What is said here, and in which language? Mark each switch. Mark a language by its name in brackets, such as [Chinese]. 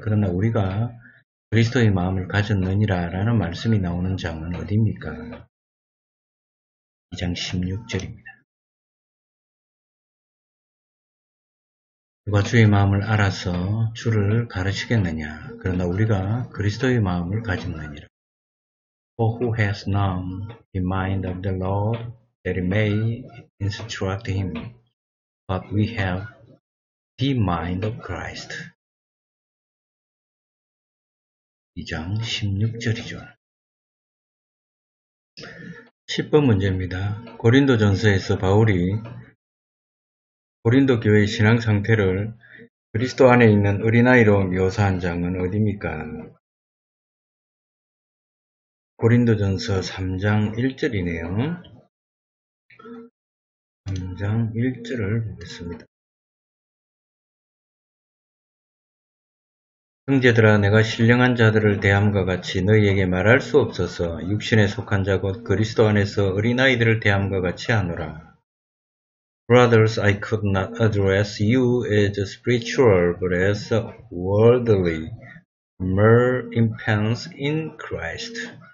[Korean] 그러나 우리가 그리스도의 마음을 가졌느니라 라는 말씀이 나오는 장은 어디입니까? 2장 16절입니다. 누가 주의 마음을 알아서 주를 가르치겠느냐. 그러나 우리가 그리스도의 마음을 가졌느니라. [English] For who has known the mind of the Lord that he may instruct him. But we have the mind of Christ. [Korean] 2장 16절이죠. 10번 문제입니다. 고린도전서에서 바울이 고린도 교회의 신앙 상태를 그리스도 안에 있는 어린아이로 묘사한 장은 어디입니까? 고린도전서 3장 1절이네요. 3장 1절을 보겠습니다. 형제들아 내가 신령한 자들을 대함과 같이 너희에게 말할 수 없어서 육신에 속한 자 곧 그리스도 안에서 어린아이들을 대함과 같이 하노라. [English] Brothers, I could not address you as a spiritual, but as a worldly, mere infants in Christ.